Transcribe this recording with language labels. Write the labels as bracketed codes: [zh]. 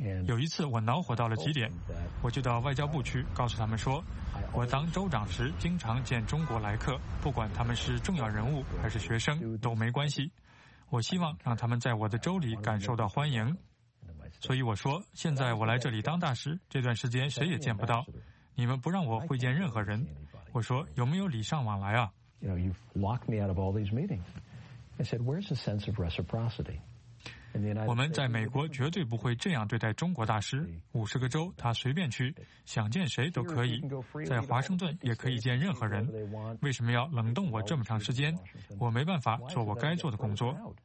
[zh] 有一次我恼火到了极点，我就到外交部去告诉他们说，我当州长时经常见中国来客，不管他们是重要人物还是学生都没关系，我希望让他们在我的州里感受到欢迎。所以我说，现在我来这里当大使，这段时间谁也见不到，你们不让我会见任何人，我说有没有礼尚往来啊？ [en] You've locked me out of all these meetings. I said, where's the sense of reciprocity? [zh] 我们在美国绝对不会这样对待中国大使，五十个州他随便去，想见谁都可以，在华盛顿也可以见任何人，为什么要冷冻我这么长时间？我没办法做我该做的工作。